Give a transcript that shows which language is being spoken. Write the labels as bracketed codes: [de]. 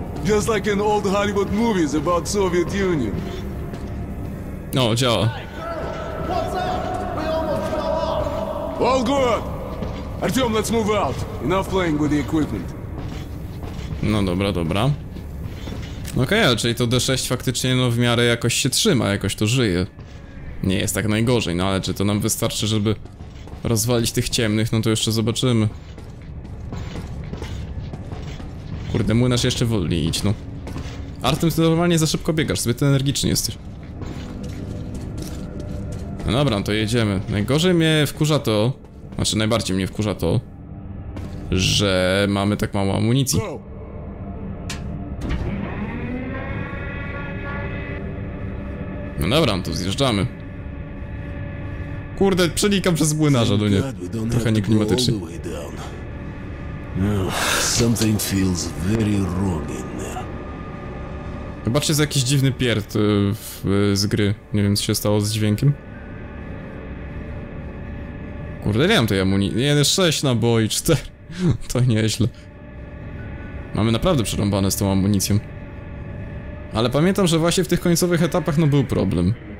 [en] Just like in old Hollywood movies about Soviet Union. [pl] No, działa. [en] What's up? We almost fell off! All good! Artyom, let's move out. Enough playing with the equipment. [pl] No dobra, dobra. Okej, okay, czyli to D6 faktycznie no w miarę jakoś się trzyma, jakoś to żyje. Nie jest tak najgorzej, no ale czy to nam wystarczy, żeby rozwalić tych ciemnych, no to jeszcze zobaczymy. Kurde, młynarz jeszcze wolniej idź, no. Artem, ty normalnie za szybko biegasz, zbyt energiczny jesteś. No dobra, no to jedziemy. Najgorzej mnie wkurza to, znaczy najbardziej mnie wkurza to, że mamy tak mało amunicji. No dobra, no to zjeżdżamy. Kurde, przenikam przez młynarza, do nie. Trochę nieklimatycznie. [en] Something feels very wrong in there. [pl] Zobaczcie, jest jakiś dziwny pierd z gry. Nie wiem, co się stało z dźwiękiem. Kurde, nie mam tej amunicji. Nie, 6 naboi, 4. To nieźle. Mamy naprawdę przerąbane z tą amunicją. Ale pamiętam, że właśnie w tych końcowych etapach no był problem.